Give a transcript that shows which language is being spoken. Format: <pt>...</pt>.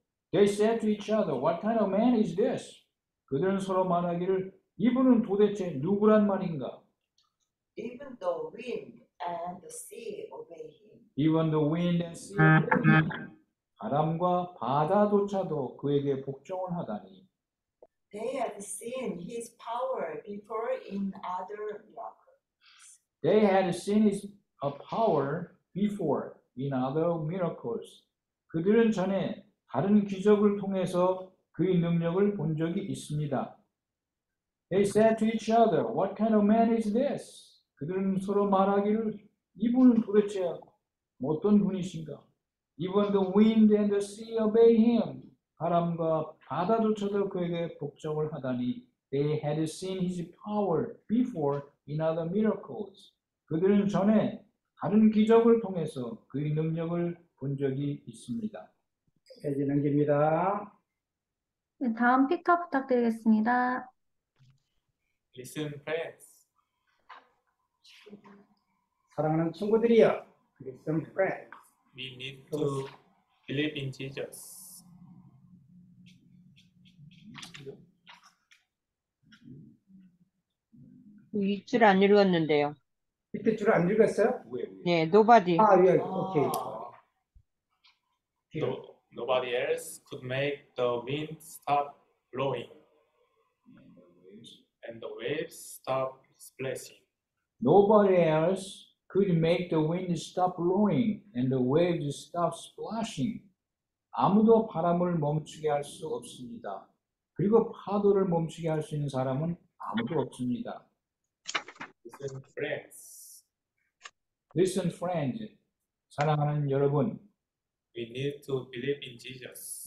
<en>They said to each other, "What kind of man is this?"</en> <ko>그들은 서로 말하기를, 이분은 도대체 누구란 말인가?</ko> <en>Even the wind and the sea obey him. Even the wind and sea obey him.</en> <ko>바람과 바다조차도 그에게 복종을 하다니.</ko> <en>They had seen his power before in other miracles. They had seen his power before in other miracles.</en> <ko>그들은 전에 다른 기적을 통해서 그의 능력을 본 적이 있습니다.</ko> <en>They said to each other, "What kind of man is this?"</en> <ko>그들은 서로 말하기를, 이분은 도대체 어떤 분이신가?</ko> <en>Even the wind and the sea obey him.</en> <ko>바람과 바다조차도 그에게 복종을 하다니.</ko> <en>They had seen his power before in other miracles.</en> <ko>그들은 전에 다른 기적을 통해서 그의 능력을 본 적이 있습니다. 해지는 겁니다. 다음 피카 부탁드리겠습니다.</ko> <en>Listen, friends.</en> <ko>사랑하는 친구들이여.</ko> <en>Listen, friends. We need to believe in Jesus. Nobody.</en> <ko>안 읽었는데요. 밑에 줄 안 읽었어요?</ko> <en>네, yeah, nobody. 아, 예, yeah. 오케이. Okay. Nobody else could make the wind stop blowing and the waves stop splashing. Nobody else could make the wind stop blowing and the waves stop splashing.</en> <ko>아무도 바람을 멈추게 할 수 없습니다. 그리고 파도를 멈추게 할 수 있는 사람은 아무도 없습니다.</ko> <en>Listen, friends. Listen, friends.</en> <ko>사랑하는 여러분.</ko> <en>We need to believe in Jesus.</en>